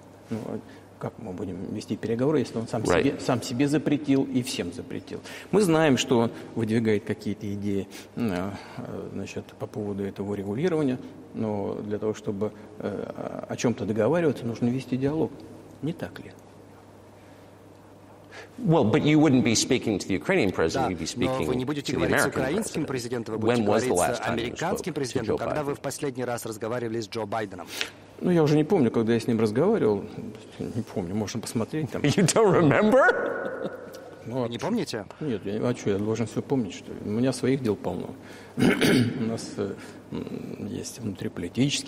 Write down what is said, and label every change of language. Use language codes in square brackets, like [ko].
[ru] Ну, как мы будем вести переговоры, если он сам, right. себе, сам себе запретил и всем запретил? Мы знаем, что он выдвигает какие-то идеи, значит, по поводу этого регулирования, но для того, чтобы о чем-то договариваться, нужно вести диалог. Не так ли? [en] Well, but you wouldn't be speaking to the Ukrainian president, you'd be speaking to the American president. [ru] Да, но вы не будете говорить с украинским президентом, вы будете говорить с американским президентом. Когда вы в последний раз разговаривали с Джо Байденом? Ну, я уже не помню, когда я с ним разговаривал. Не помню, можно посмотреть там. [en] You don't remember? [ru] Ну, не помните? Нет, а что, я должен все помнить, что ли? У меня своих дел полно. У нас есть внутриполитические